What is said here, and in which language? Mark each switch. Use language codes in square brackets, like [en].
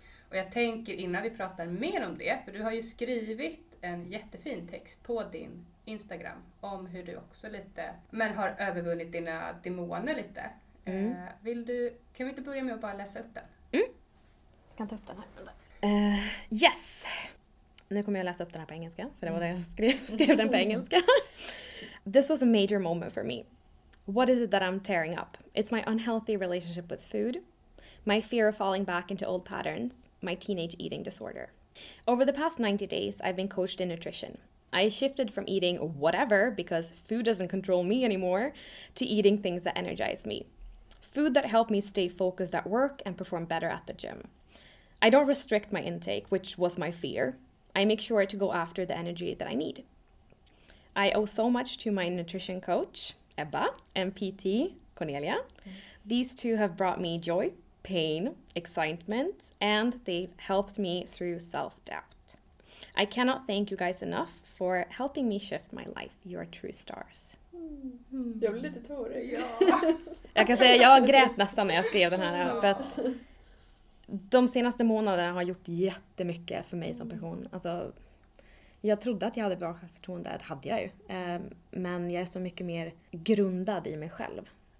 [sv] Och jag tänker innan vi pratar mer om det, för du har ju skrivit en jättefin text på din Instagram om hur du också lite, men har övervunnit dina demoner lite. Mm. Vill du, kan vi inte börja med att bara läsa upp den? Mm. Kan ta upp den här. Yes! Nu kommer jag läsa upp den här på engelska, för det var det jag skrev den på engelska. [en] This was a major moment for me. What is it that I'm tearing up? It's my unhealthy relationship with food, my fear of falling back into old patterns, my teenage eating disorder. Over the past 90 days, I've been coached in nutrition. I shifted from eating whatever, because food doesn't control me anymore, to eating things that energize me. Food that helped me stay focused at work and perform better at the gym. I don't restrict my intake, which was my fear. I make sure to go after the energy that I need. I owe so much to my nutrition coach, Ebba, and PT, Cornelia. These two have brought me joy, pain, excitement, and they've helped me through self-doubt. I cannot thank you guys enough for helping me shift my life. You are true stars. [sv] Jag blev lite tårig. Jag kan säga, jag grät nästan när jag skrev den här. För att de senaste månaderna har gjort jättemycket för mig som person. Alltså, jag trodde att jag hade bra självförtroende. Det hade jag ju. Men jag är så mycket mer grundad i mig själv.